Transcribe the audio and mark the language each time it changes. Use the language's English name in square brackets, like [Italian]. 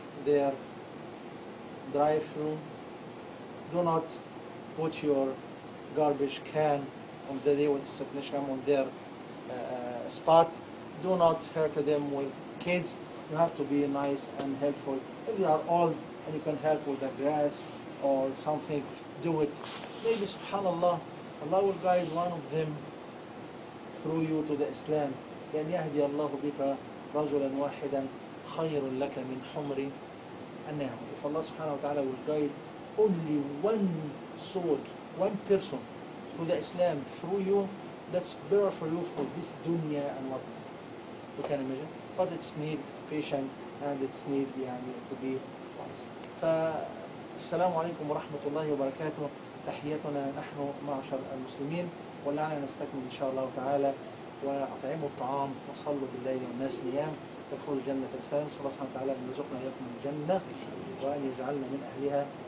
[English] Their drive-through. Do not put your garbage can on the day with technician on their spot. Do not hurt them with kids. You have to be nice and helpful. If they are old and you can help with the grass or something, do it. Maybe subhanAllah, Allah will guide one of them through you to the Islam. [Arabic] لأن يهدي الله بك رجلا واحدا خير لك من حمري. [English] If Allah subhanahu wa ta'ala will guide only one soul, one person through the Islam, through you, that's better for you for this dunya and what you can imagine. But it's need patience and it's need يعني, to be wise. [Arabic] فالسلام عليكم ورحمة الله وبركاته. تحياتنا نحن معشر المسلمين. ولعلنا نستكمل إن شاء الله تعالى وأطعموا الطعام وصلوا بالليل والناس نيام. تدخل الجنة في السلام. صلى الله سبحانه وتعالى أن يرزقنا إياكم الجنة وأن يجعلنا من أهلها.